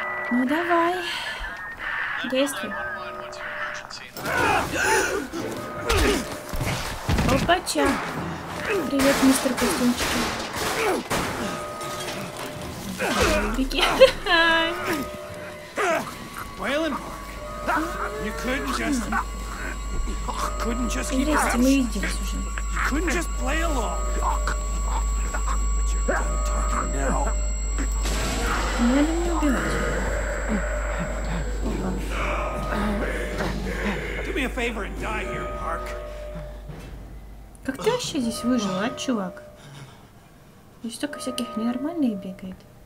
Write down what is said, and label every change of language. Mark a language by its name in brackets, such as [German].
[Russian] Ну, давай. Действуй. Опача. Привет, мистер Костюмчик. Беги. [English] Уэйлен, you couldn't just... Couldn't just keep rest, you couldn't just play along. But you're done talking now. [Russian] Надо не убивать. [English] Do me a favor and die here, Парк. [Russian] Как ты вообще здесь выжил, а, чувак? Здесь столько всяких ненормальных бегает.